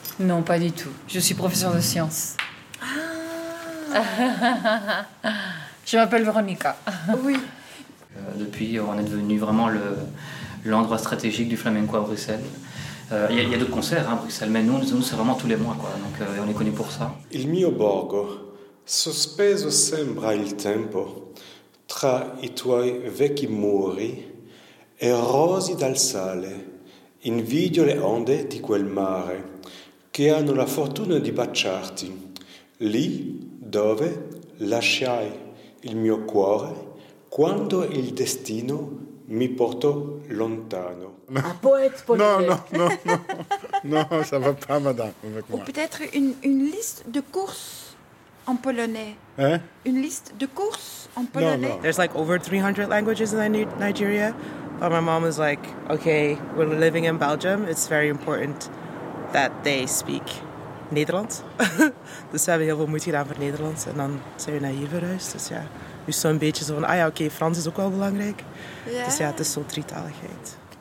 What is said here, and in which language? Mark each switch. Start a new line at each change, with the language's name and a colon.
French: Non, pas du tout. Je suis professeure de sciences. Ah. Je m'appelle Veronica. Oui. Depuis, on est devenu vraiment l'endroit stratégique du flamenco à Bruxelles. Il y a d'autres concerts à Bruxelles, mais nous, c'est vraiment tous les mois, quoi. Donc, on est connu pour ça.
Italian: Il mio borgo, sospeso sembra il tempo tra i tuoi vecchi muri e rosi dal sale, invidio le onde di quel mare che hanno la fortuna di baciarti lì dove lasciai il mio cuore quando il destino mi portò lontano.
French: Un poète polonais. Non, ça va pas, madame. Ou peut-être une liste de courses en polonais. Une liste de courses en polonais. No.
English: There's like over 300 languages in Nigeria. But my mom was like, okay, we're living in Belgium. It's very important that they speak Nederlands.
Dutch: Dus we hebben heel veel moeite gedaan voor Nederlands. En dan zijn we naar hier verhuisd. Dus ja, nu is zo'n beetje zo van, ah ja, oké, Frans is ook wel belangrijk. Yeah. Dus ja, het is zo'n drietaligheid.